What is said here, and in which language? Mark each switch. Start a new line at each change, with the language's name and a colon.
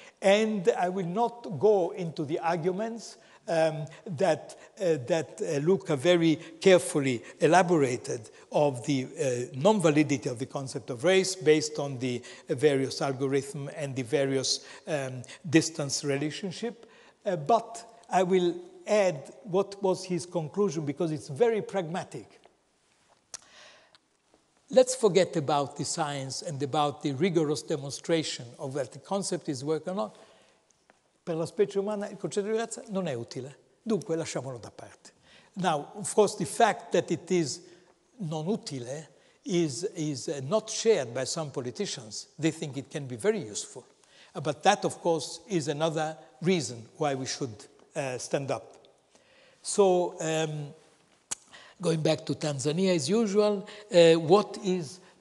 English: And I will not go into the arguments that Luca very carefully elaborated of the non-validity of the concept of race based on the various algorithms and the various distance relationship. But I will add what was his conclusion, because it's very pragmatic. Let's forget about the science and about the rigorous demonstration of that the concept is work or not.
Italian: Per la specie umana il concetto di razza non è utile. Dunque, lasciamolo da parte.
English: Now, of course, the fact that it is
Italian: non utile
English: is not shared by some politicians. They think it can be very useful. But that, of course, is another reason why we should stand up. So, going back to Tanzania as usual, what is...